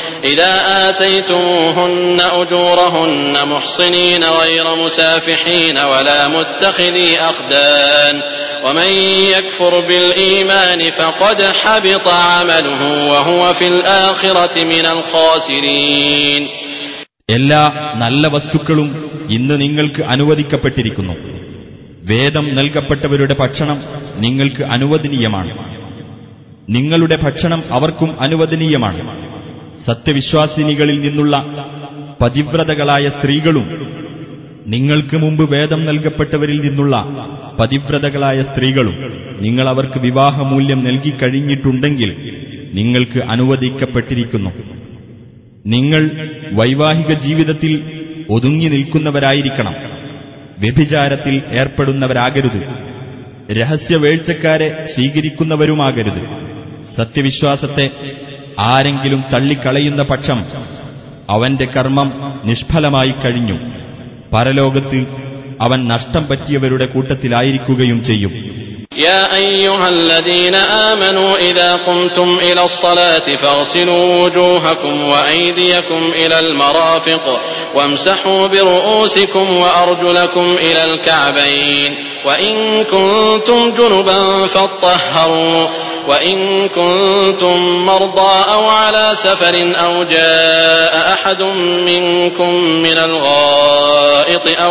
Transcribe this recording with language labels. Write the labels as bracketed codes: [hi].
[ar] إذا آتيتموهن أجورهن محصنين غير مسافحين ولا متخذي أخدان ومن يكفر بالإيمان فقد حبط عمله وهو في الآخرة من الخاسرين. [ml] എല്ലാ നല്ല വസ്തുക്കളും ഇന്ന് നിങ്ങൾക്ക് അനുവദിക്കപ്പെട്ടിരിക്കുന്നു. വേദം നൽകപ്പെട്ടവരുടെ ഭക്ഷണം നിങ്ങൾക്ക് അനുവദനീയമാണ്. നിങ്ങളുടെ ഭക്ഷണം അവർക്കും അനുവദനീയമാണ്. സത്യവിശ്വാസിനികളിൽ നിന്നുള്ള പതിവ്രതകളായ സ്ത്രീകളും നിങ്ങൾക്ക് മുമ്പ് വേദം നൽകപ്പെട്ടവരിൽ നിന്നുള്ള പതിവ്രതകളായ സ്ത്രീകളും നിങ്ങൾ അവർക്ക് വിവാഹമൂല്യം നൽകിക്കഴിഞ്ഞിട്ടുണ്ടെങ്കിൽ നിങ്ങൾക്ക് അനുവദിക്കപ്പെട്ടിരിക്കുന്നു. നിങ്ങൾ വൈവാഹിക ജീവിതത്തിൽ ഒതുങ്ങി നിൽക്കുന്നവരായിരിക്കണം. വ്യഭിചാരത്തിൽ ഏർപ്പെടുന്നവരാകരുത്. രഹസ്യവേഴ്ചക്കാരെ സ്വീകരിക്കുന്നവരുമാകരുത്. സത്യവിശ്വാസത്തെ ആരെങ്കിലും തള്ളിക്കളയുന്ന പക്ഷം അവന്റെ കർമ്മം നിഷ്ഫലമായി കഴിഞ്ഞു. പരലോകത്ത് അവൻ നഷ്ടം പറ്റിയവരുടെ കൂട്ടത്തിലായിരിക്കുകയും ചെയ്യും. [ar] يا ايها الذين امنوا اذا قمتم الى الصلاه فاغسلوا وجوهكم وايديكم الى المرافق وامسحوا برؤوسكم وارجلكم الى الكعبين وان كنتم جنبا فتطهروا وان كنتم مرضى او على سفر او جاء احد منكم من الغائط